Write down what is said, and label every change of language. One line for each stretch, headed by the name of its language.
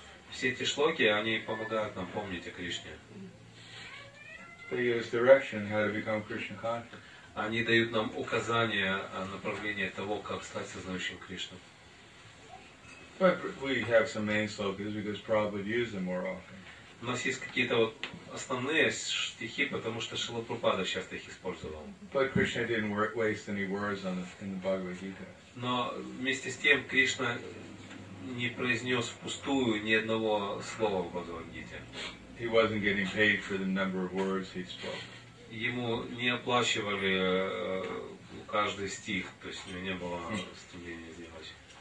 Russian: Все эти шлоки, они помогают нам помнить о Кришне.
English: They give us direction how to become Krishna conscious.
Russian: Они дают нам указания о направлении того, как стать сознающим Кришну.
English: But we have some main slokas because Prabhupada used them more often.
Russian: У нас есть какие-то вот основные стихи, потому что Шрила Прабхупада часто их использовал.
English: But Krishna didn't waste any words on the, in the Bhagavad Gita.
Russian: Но вместе с тем Кришна не произнес впустую ни одного слова в Бхагавад-гите.
English: He wasn't getting paid for the number of words he spoke.
Russian: Ему не оплачивали каждый стих, то есть у него не было стремления делать.